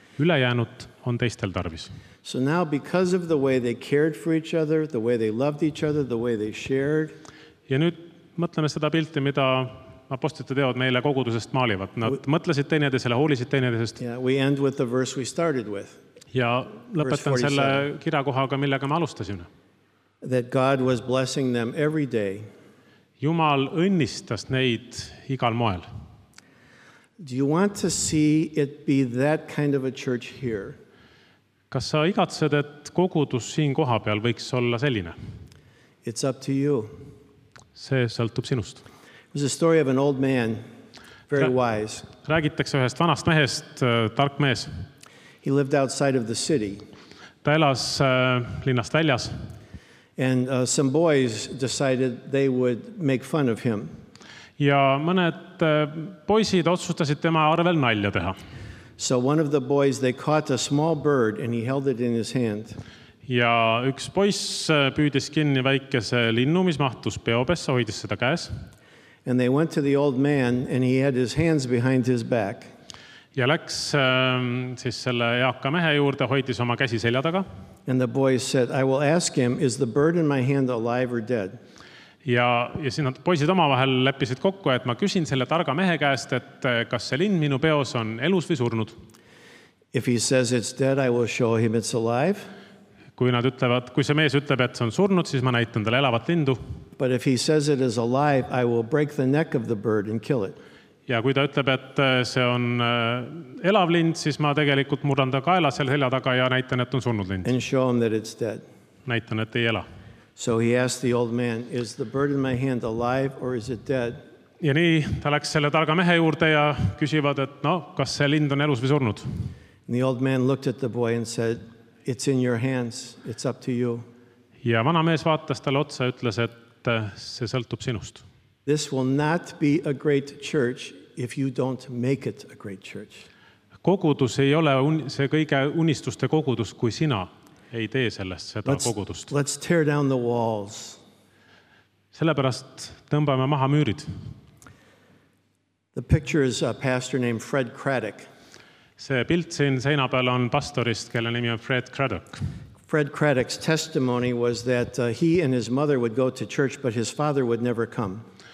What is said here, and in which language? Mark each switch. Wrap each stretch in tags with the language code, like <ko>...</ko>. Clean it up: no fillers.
<et>Ülejäänud on teistel tarvis.</et> <en>So now because of the way they cared for each other, the way they loved each other, the way they shared.</en> <et>Ja nüüd mõtleme seda pilti, mida apostlite teod meile kogudusest maalivad. Nad mõtlesid teineteisele, hoolisid teineteisest.</et> <en>Yeah, we end with the verse we started with.</en> <et>Ja lõpetan selle kirjakohaga, millega me alustasime.</et> <en>That God was blessing them every day.</en> <et>Jumal õnnistas neid igal moel.</et> <en>Do you want to see it be that kind of a church here?</en> <et>Kas sa igatsed, et kogudus siin koha peal võiks olla selline?</et> <en>It's up to you.</en> <et>See sõltub sinust.</et> <en>It's a story of an old man, very wise.</en> <et>Räägitakse ühest vanast mehest, tark mees.</et> <en>He lived outside of the city.</en> <et>Ta elas linnast väljas.</et> <en>And some boys decided they would make fun of him.</en> <et>Ja mõned poisid otsustasid tema arvel nalja teha.</et> <en>So one of the boys, they caught a small bird and he held it in his hand.</en> <et>Ja üks poiss püüdis kinni väikese linnu, mis mahtus peopessa, hoidis seda käes.</et> <en>And they went to the old man and he had his hands behind his back.</en> <et>Ja läks siis selle eaka mehe juurde, hoidis oma käsi selja taga.</et> <en>And the boy said, I will ask him, is the bird in my hand alive or dead?</en> <et>Ja siin nad poisid oma vahel leppisid kokku, et ma küsin selle targa mehe käest, et kas see linn minu peos on elus või surnud.</et> <en>If he says it's dead, I will show him it's alive.</en> <et>Kui see mees ütleb, et see on surnud, siis ma näitan tal elavat lindu.</et> <en>But if he says it is alive, I will break the neck of the bird and kill it.</en> <et>Ja kui ta ütleb, et see on elav lind, siis ma tegelikult murdan ta kaela seal selja taga ja näitan, et on surnud lind.</et> <en>And show him that it's dead.</en> <et>Näitan, et ei ela.</et> <en>So he asked the old man, is the bird in my hand alive or is it dead?</en> <et>Ja nii, ta läks selle targa mehe juurde ja küsivad, et no, kas see lind on elus või surnud?</et> <en>And the old man looked at the boy and said, it's in your hands, it's up to you.</en> <et>Ja vana mees vaatas talle otsa ja ütles, et see sõltub sinust.</et> <en>This will not be a great church if you don't make it a great church.</en> <et>Kogudus ei ole see kõige unistuste kogudus, kui sina ei tee sellest seda kogudust.</et> <en>Let's tear down the walls.</en> <et>Sellepärast tõmbame maha müürid.</et> <en>The picture is a pastor named Fred Craddock.</en> <et>See pilt siin seina peal on pastorist, kelle nimi on Fred Craddock.</et> <en>Fred Craddock's testimony was that he and his mother would go to church, but his father would never come.</en>